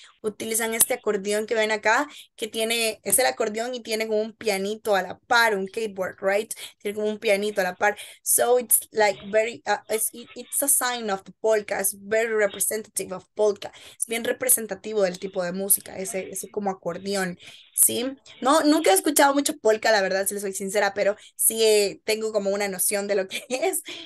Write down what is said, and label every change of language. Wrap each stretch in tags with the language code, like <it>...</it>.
<es>Utilizan este acordeón que ven acá, que tiene, es el acordeón y tiene como un pianito a la par, un keyboard, right? Tiene como un pianito a la par.</es> <en>So it's like very, it's a sign of the polka, it's very representative of polka.</en> <es>Es bien representativo del tipo de música, ese como acordeón, ¿sí? No, nunca he escuchado mucho polka, la verdad, si les soy sincera, pero sí tengo como una noción de lo que es.</es>